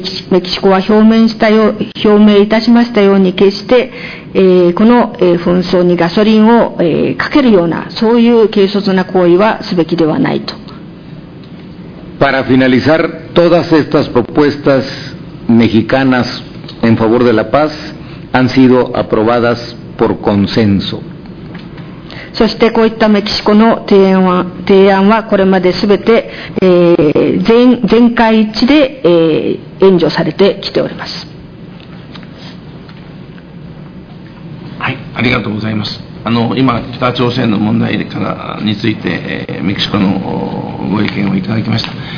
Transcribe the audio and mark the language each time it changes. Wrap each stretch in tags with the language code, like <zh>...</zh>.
<ja>メキシコは表明いたしましたように決して、この、紛争にガソリンを、かけるようなそういう軽率な行為はすべきではないと。</ja> <es>Para finalizar, todas estas propuestas mexicanas en favor de la paz han sido aprobadas por consenso.</es> <ja>そしてこういったメキシコの提案はこれまですべて、全会一致で、援助されてきております。はい、ありがとうございます。今北朝鮮の問題からについて、メキシコのご意見をいただきました。</ja>